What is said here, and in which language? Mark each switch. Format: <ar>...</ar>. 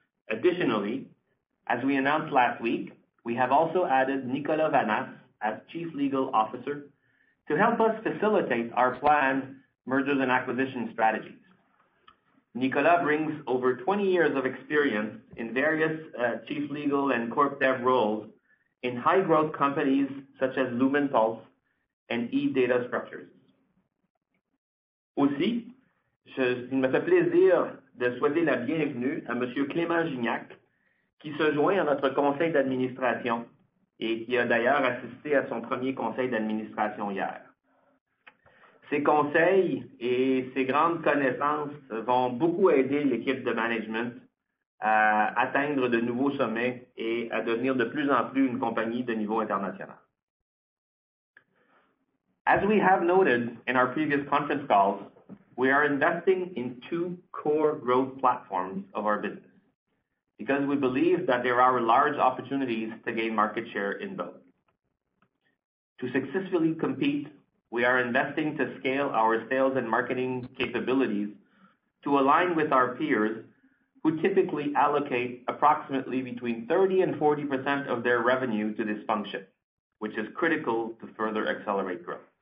<en>Additionally, as we announced last week, we have also added Nicolas Vanas as Chief Legal Officer to help us facilitate our planned mergers and acquisition strategies. Nicolas brings over 20 years of experience in various Chief Legal and Corp Dev roles in high-growth companies such as Lumenpulse and e-data structures.</en> <fr>Aussi, il me fait plaisir de souhaiter la bienvenue à M. Clément Gignac, qui se joint à notre conseil d'administration et qui a d'ailleurs assisté à son premier conseil d'administration hier. Ses conseils et ses grandes connaissances vont beaucoup aider l'équipe de management à atteindre de nouveaux sommets et à devenir de plus en plus une compagnie de niveau international.</fr> <en>As we have noted in our previous conference calls, we are investing in two core growth platforms of our business because we believe that there are large opportunities to gain market share in both. To successfully compete, we are investing to scale our sales and marketing capabilities to align with our peers who typically allocate approximately between 30 and 40% of their revenue to this function, which is critical to further accelerate growth.</en>